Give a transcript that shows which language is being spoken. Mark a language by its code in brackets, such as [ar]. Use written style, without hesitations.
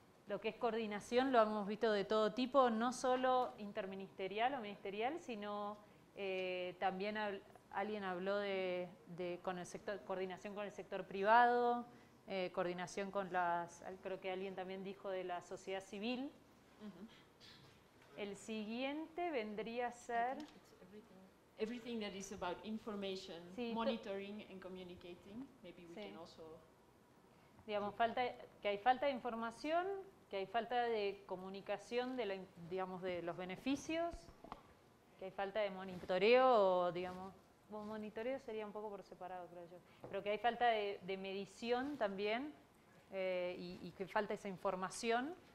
[es] Lo que es coordinación lo hemos visto de todo tipo, no solo interministerial o ministerial, sino también alguien habló de con el sector, coordinación con el sector privado, coordinación con las, creo que alguien también dijo de la sociedad civil. Uh-huh. El siguiente vendría a ser [en] everything that is about information, [es] sí, [en] monitoring and communicating. Maybe we, [es] sí, [en] can also, [es] digamos, falta que hay falta de información, que hay falta de comunicación de la, digamos, de los beneficios, que hay falta de monitoreo, digamos. Monitoreo sería un poco por separado, creo yo. Pero que hay falta de medición también, y que falta esa información.